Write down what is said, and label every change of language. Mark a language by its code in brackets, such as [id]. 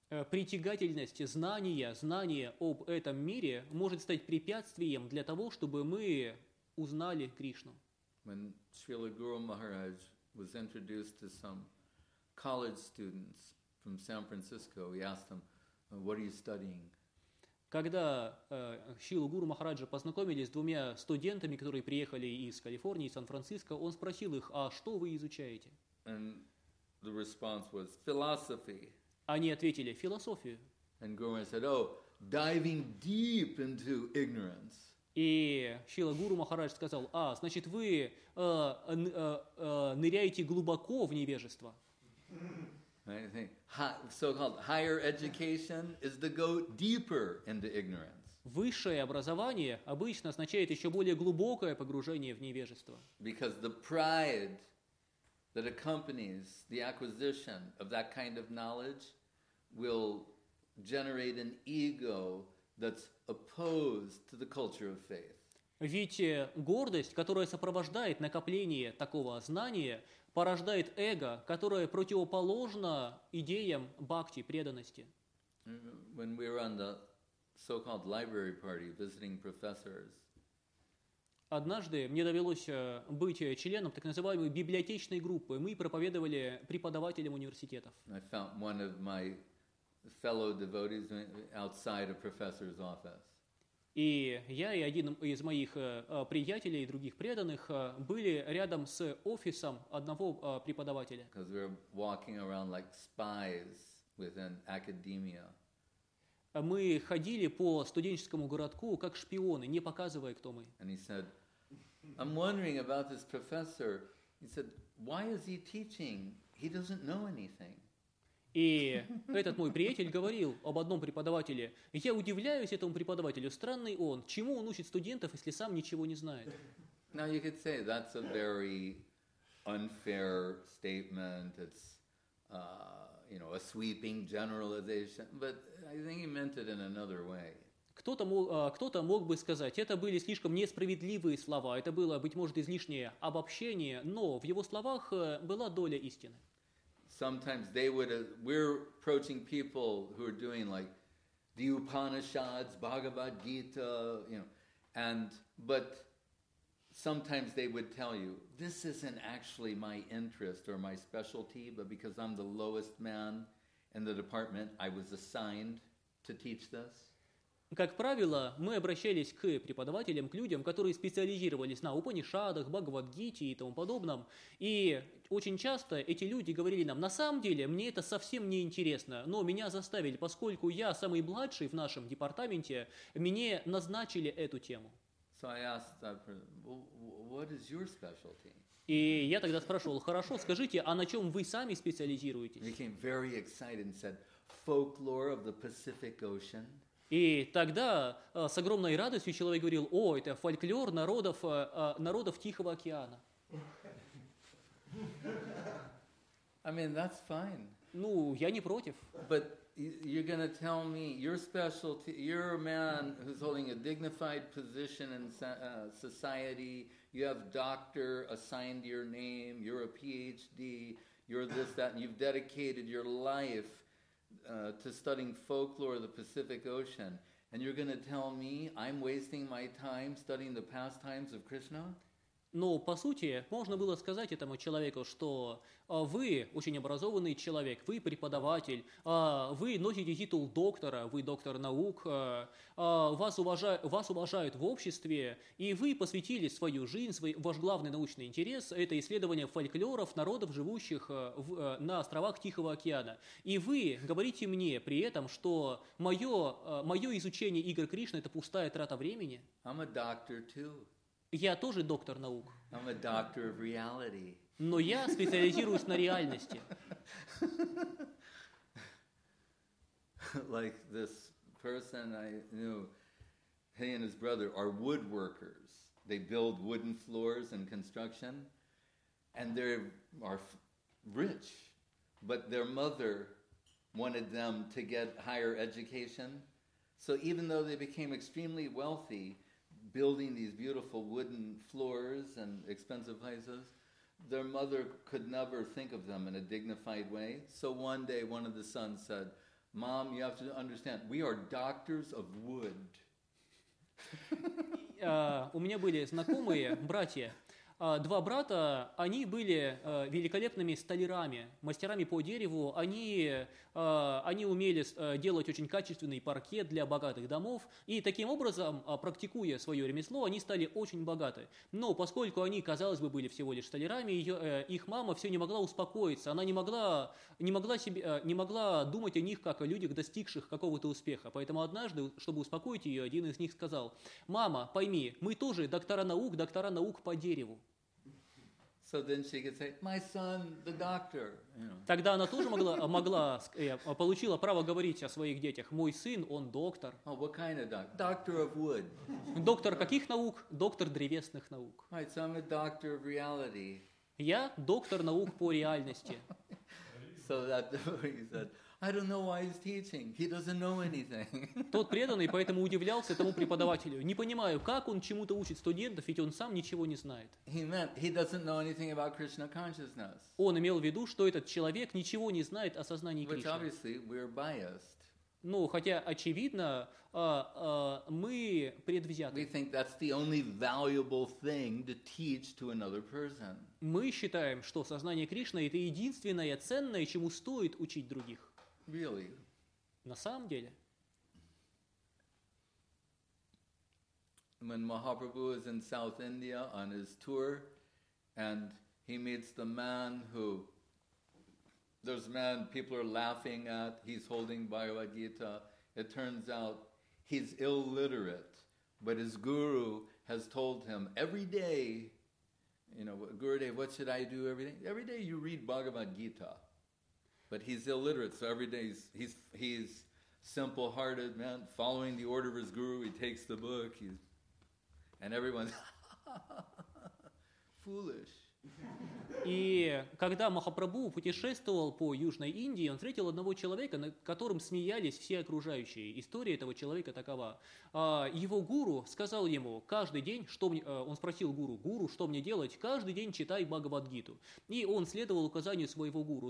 [ru] Притягательность знания об этом мире может стать препятствием для того, чтобы мы узнали Кришну. [en] When Srila Guru Maharaj was introduced to some college students from San Francisco, he asked them, what are you studying? [ru] Когда Шрила Гуру Махараджа познакомились с двумя студентами, которые приехали из Калифорнии, из Сан-Франциско, он спросил их, а что вы изучаете? [en] And the response was, philosophy. [ru] Они ответили, философию. [en] And Guru said, oh, diving deep into ignorance. [ru] И Шрила Гуру Махарадж сказал: «А, значит, вы ныряете глубоко в невежество». [en] So-called higher education is to go deeper into ignorance. [ru] Высшее образование обычно означает еще более глубокое погружение в невежество. [en] Because the pride that accompanies the acquisition of that kind of knowledge will generate an ego that's opposed to the culture of faith. [ru] Ведь гордость, которая сопровождает накопление такого знания, порождает эго, которое противоположно идеям бхакти, преданности. [en] When we were on the so-called library party visiting professors. [ru] Однажды мне довелось быть членом так называемой библиотечной группы. Мы проповедовали преподавателям университетов. [en] I found one of my fellow devotees outside a professor's office. [ru] И я и один из моих приятелей и других преданных были рядом с офисом одного преподавателя. [en] Because we were walking around like spies within academia. [ru] Мы ходили по студенческому городку как шпионы, не показывая, кто мы. [en] And he said, I'm wondering about this professor. He said, why is he teaching? He doesn't know anything. [ru] И этот мой приятель говорил об одном преподавателе. Я удивляюсь этому преподавателю. Странный он. Чему он учит студентов, если сам ничего не знает? [en] Now you could say that's a very unfair statement. It's, you know, a sweeping generalization. But I think he meant it in another way. [ru] Кто-то мог бы сказать, это были слишком несправедливые слова. Это было, быть может, излишнее обобщение. Но в его словах была доля истины. [en] Sometimes they would we're approaching people who are doing like the Upanishads, Bhagavad Gita, you know, but sometimes they would tell you, this isn't actually my interest or my specialty, but because I'm the lowest man in the department, I was assigned to teach this. [ru] Как правило, мы обращались к преподавателям, к людям, которые специализировались на Упанишадах, Бхагавад-гите и тому подобном. И очень часто эти люди говорили нам, на самом деле, мне это совсем не интересно, но меня заставили, поскольку я самый младший в нашем департаменте, мне назначили эту тему. [en] So I asked that person, what is your specialty? [ru] И я тогда спрашивал, хорошо, скажите, а на чем вы сами специализируетесь? [en] He became very excited and said, folklore of the Pacific Ocean. [ru] И тогда с огромной радостью человек говорил, о, это фольклор народов, народов Тихого океана. [en] I mean, that's fine. [ru] Ну, я не против. [en] But you're going to tell me your specialty, you're a man who's holding a dignified position in society, you have doctor assigned to your name, you're a PhD, you're this, that, and you've dedicated your life to studying folklore of the Pacific Ocean, and you're going to tell me I'm wasting my time studying the pastimes of Krishna? [ru] Но по сути можно было сказать этому человеку, что вы очень образованный человек, вы преподаватель, вы носите титул доктора, вы доктор наук, вас уважают в обществе, и вы посвятили свою жизнь, ваш главный научный интерес – это исследование фольклоров народов, живущих на островах Тихого океана. И вы говорите мне при этом, что мое изучение игр Кришны – это пустая трата времени. [en] I'm a doctor too. [ru] Я тоже доктор наук. [en] I'm a doctor of reality. [ru] Но я специализируюсь на реальности. [en] Like this person I knew, he and his brother are woodworkers. They build wooden floors and construction, and they are rich. But their mother wanted them to get higher education. So even though they became extremely wealthy, building these beautiful wooden floors and expensive places, their mother could never think of them in a dignified way. So one day, one of the sons said, Mom, you have to understand, we are doctors of wood. [ru] У меня были знакомые братья. Два брата, они были великолепными столярами, мастерами по дереву. Они умели делать очень качественный паркет для богатых домов. И таким образом, практикуя свое ремесло, они стали очень богаты. Но поскольку они, казалось бы, были всего лишь столярами, их мама все не могла успокоиться. Она не могла думать о них как о людях, достигших какого-то успеха. Поэтому однажды, чтобы успокоить ее, один из них сказал: «Мама, пойми, мы тоже доктора наук по дереву». [en] So then she could say, "My son, the doctor." [ru] Тогда она тоже могла получила право говорить о своих детях. Мой сын, он доктор. [en] Oh, what kind of doctor? Doctor of wood. [ru] Доктор каких наук? Доктор древесных наук. [en] Right, so I'm a doctor of reality. [ru] Я доктор наук по реальности. [en] So that he said, "I don't know why he's teaching. He doesn't know anything." [ru] Тот преданный поэтому удивлялся тому преподавателю. Не понимаю, как он чему-то учит студентов, ведь он сам ничего не знает. [en] He meant he doesn't know anything about Krishna consciousness. [ru] Он имел в виду, что этот человек ничего не знает о сознании Кришны. [en] Which obviously we're biased. [ru] Ну, хотя очевидно, мы предвзяты. [en] We think that's the only valuable thing to teach to another person. [ru] Мы считаем, что сознание Кришны – это единственное ценное, чему стоит учить других. [en] Really? [ru] На самом деле? [en] When Mahaprabhu is in South India on his tour, and he meets the man who, there's a man people are laughing at, he's holding Bhagavad Gita, it turns out he's illiterate, but his guru has told him every day, you know, Gurudev, what should I do every day? Every day you read Bhagavad Gita. But he's illiterate, so every day he's simple-hearted, man, following the order of his guru, he takes the book, and everyone's foolish. [ru] И когда Махапрабху путешествовал по Южной Индии, он встретил одного человека, над которым смеялись все окружающие. История этого человека такова. Его гуру сказал ему, каждый день, он спросил гуру, что мне делать? Каждый день читай Бхагавадгиту. И он следовал указанию своего гуру.